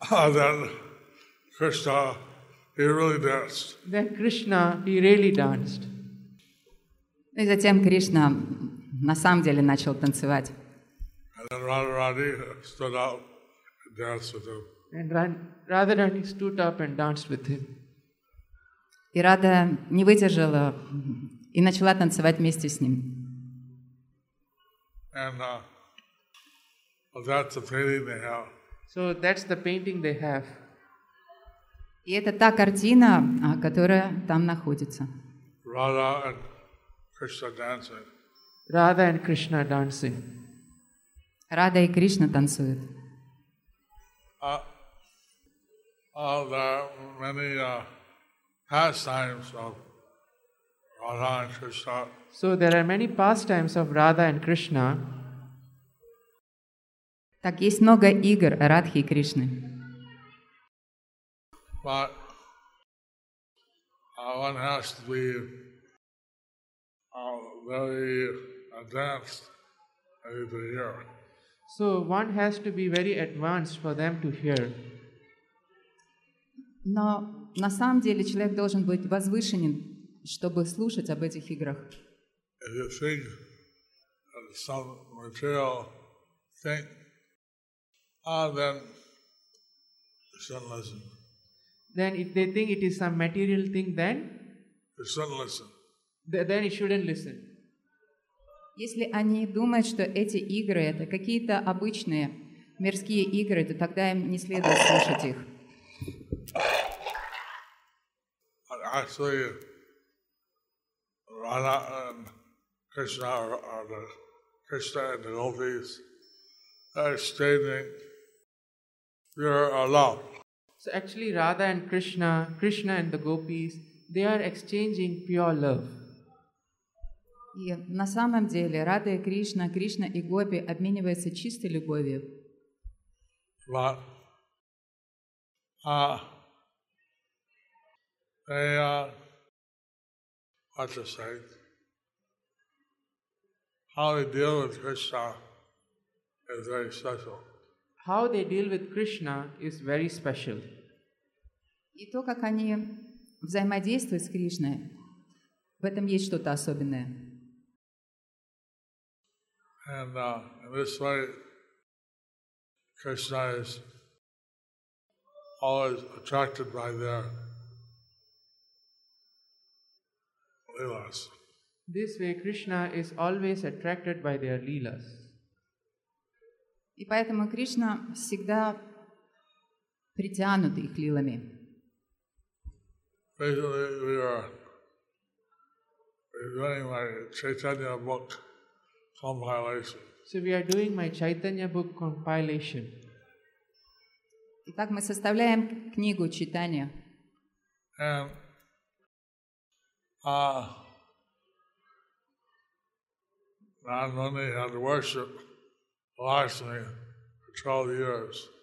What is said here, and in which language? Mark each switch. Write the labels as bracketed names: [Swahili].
[English] Then Krishna, he really danced. Then Krishna, he really danced. [Russian] И затем Кришна на самом деле начал танцевать. [English] And then Radharani stood up and danced with him. And Radharani stood up and danced with him. [Russian] И Рада не выдержала и начала танцевать вместе с ним. [English] And well, that's the painting they have. So that's the painting they have. [Russian] И это та картина, которая там находится. [English] Radha and Krishna dancing. Radha and Krishna dancing. [Russian] Radha и Кришна танцуют. [English] There are many pastimes of Radha and Krishna. So there are many pastimes of Radha and Krishna. [Russian] Так есть много игр Радхи и Кришны. [English] But one has to be very advanced to hear. So one has to be very advanced for them to hear. [Russian] Но на самом деле человек должен быть возвышенен, чтобы слушать об этих играх. [English] If you think of some material thing, then you shouldn't listen. Then if they think it is some material thing, then? You shouldn't listen. Then you shouldn't listen. [Russian] Если они думают, что эти игры это какие-то обычные мирские игры, то тогда им не следует слушать их. [English] Actually, Radha and Krishna are the Krishna and the gopis are stating pure love. So actually, Radha and Krishna, Krishna and the gopis, they are exchanging pure love. [Russian] И на самом деле, Радха и Кришна, Кришна и гопи обмениваются чистой любовью. [English] But they what to say? How they deal with Krishna is very special. How they deal with Krishna is very special. [Russian] И то, как они взаимодействуют с Кришной, в этом есть что-то особенное. [English] And in this way, Krishna is always attracted by their leelas. This way, Krishna is always attracted by their leelas. [Russian] И поэтому Кришна всегда притянут их лилами. [English] Recently, we are doing my Chaitanya book compilation. So we are doing my Chaitanya book compilation. [Russian] Итак, мы составляем книгу Чайтанья. [English] And Narada Muni had worshipped Lakshmi for 12 years.